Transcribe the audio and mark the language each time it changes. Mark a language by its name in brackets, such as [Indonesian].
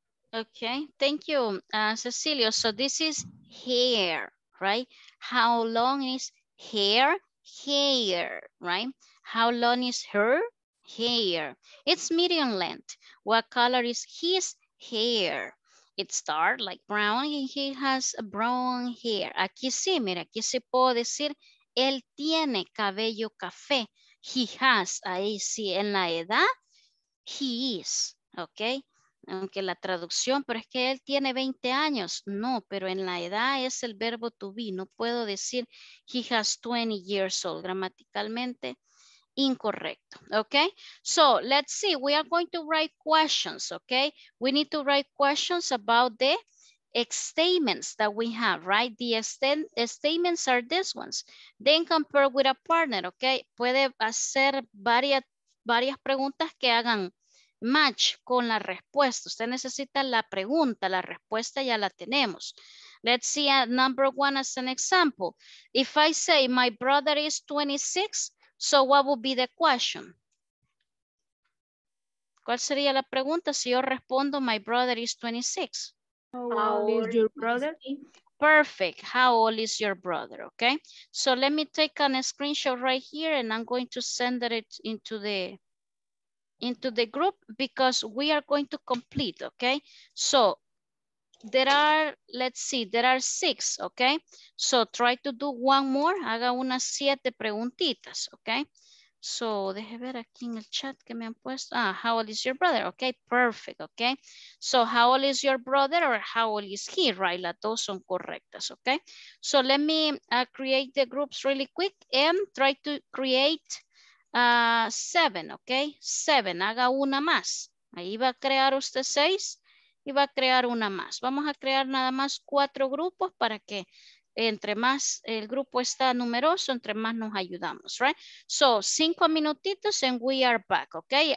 [English] Okay, thank you, Cecilio. So this is hair, right? How long is hair? Hair, right? How long is her hair? It's medium length. What color is his hair? It's dark, like brown, and he has a brown hair. [Spanish] Aquí sí, mira, aquí se puede decir, él tiene cabello café. [English] He has, [Spanish] ahí sí, en la edad, he is, ¿ok? Aunque la traducción, pero es que él tiene 20 años. No, pero en la edad es el verbo to be. No puedo decir, [English] he has 20 years old, [Spanish] gramaticalmente. Incorrecto. [English] Okay, so let's see. We are going to write questions. Okay, we need to write questions about the statements that we have, right? The statements are these ones. Then compare with a partner. [Spanish] Okay, puede hacer varias preguntas que hagan match con la respuesta. Usted necesita la pregunta, la respuesta ya la tenemos. [English] Let's see number one as an example. If I say my brother is 26. So what would be the question? [Spanish] ¿Cuál sería la pregunta si yo respondo [English] my brother is 26? How old is your brother? Perfect, how old is your brother, okay? So let me take a screenshot right here and I'm going to send it into the group because we are going to complete, okay? So there are six, okay? So try to do one more. [Spanish] Haga unas siete preguntitas, [English] okay? [Spanish] So, deje ver aquí en el chat que me han puesto. [English] Ah, how old is your brother? Okay, perfect, okay? So how old is your brother or how old is he, right? [Spanish] Las dos son correctas, [English] okay? So let me create the groups really quick and try to create seven, okay? [Spanish] Seven, haga una más. Ahí va a crear usted seis. Y va a crear una más. Vamos a crear nada más cuatro grupos para que entre más el grupo está numeroso, entre más nos ayudamos, right? [English] So, [Spanish] cinco minutitos [English] and we are back, okay?